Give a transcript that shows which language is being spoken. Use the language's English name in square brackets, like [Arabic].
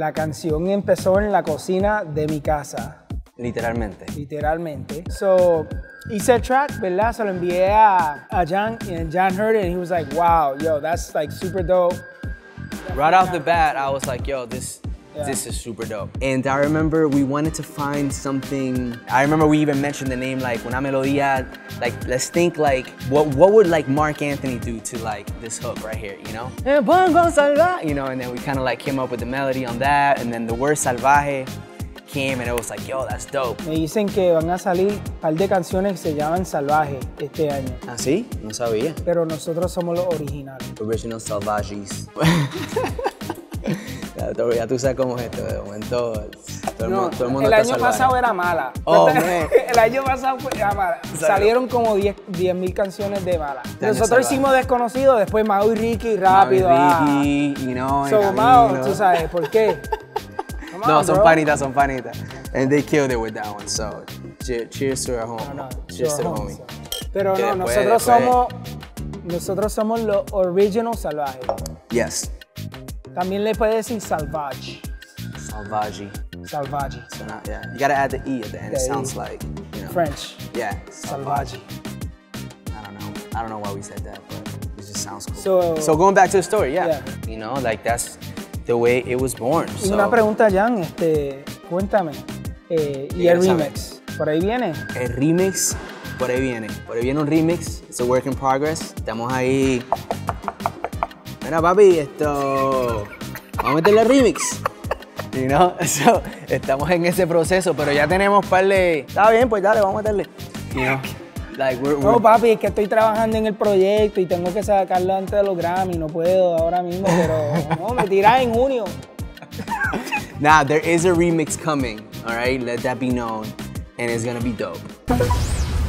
[Spanish] La canción empezó en la cocina de mi casa. Literalmente. Literalmente. So, hice el track, ¿verdad? Se lo envié a [English] Jan, and Jan heard it, and he was like, wow, yo, that's like super dope. Right off the bat, I was like, yo, this is super dope. And I remember we wanted to find something. I remember we even mentioned the name, like, Una Melodía. Like, let's think, like, what would, like, Mark Anthony do to, like, this hook right here, you know? You know, and then we kind of, like, came up with the melody on that, and then the word Salvaje came, and it was like, yo, that's dope. [Spanish] Me dicen que van a salir un par de canciones que se llaman Salvaje este año. ¿Ah, sí? No sabía. Pero nosotros somos los originales. Original Salvajes. Ya tú sabes cómo es esto, de momento todo el mundo el año pasado era mala. Oh, el año pasado era mala. Salieron como 10,000 canciones de mala. Nosotros hicimos Desconocido, después Mau y Ricky, rápido. Mau y Ricky, y no, so, Mau, tú sabes, ¿por qué? No, on, son panitas, son panitas. [English] And they killed it with that one, so cheers to our home. [Spanish] No, no, [English] cheers to the homie. So. [Spanish] Pero que no, después, nosotros somos los original salvajes. [English] Yes. [Spanish] También le puedes decir salvaje. Salvaje. Salvaje. [English] So not, yeah. You gotta add the E at the end. It sounds like, you know. French. Yeah. [Spanish] Salvaje. [English] I don't know why we said that, but it just sounds cool. So going back to the story, yeah. You know, like that's the way it was born. [Spanish] Y una pregunta, Jan, cuéntame. ¿Y el remix? ¿Por ahí viene? El remix, por ahí viene. Por ahí viene un remix. [English] It's a work in progress. [Spanish] Estamos ahí. Mira, papi, esto, vamos a meterle remix, [English] you know? [Spanish] So, estamos en ese proceso, pero ya tenemos par de, está bien, pues dale, vamos a meterle, [English] you know? [Spanish] Like, no, papi, es que estoy trabajando en el proyecto y tengo que sacarlo antes de los Grammy, no puedo ahora mismo, pero no, me tiras en junio. [English] Nah, there is a remix coming, all right? Let that be known, and it's gonna be dope.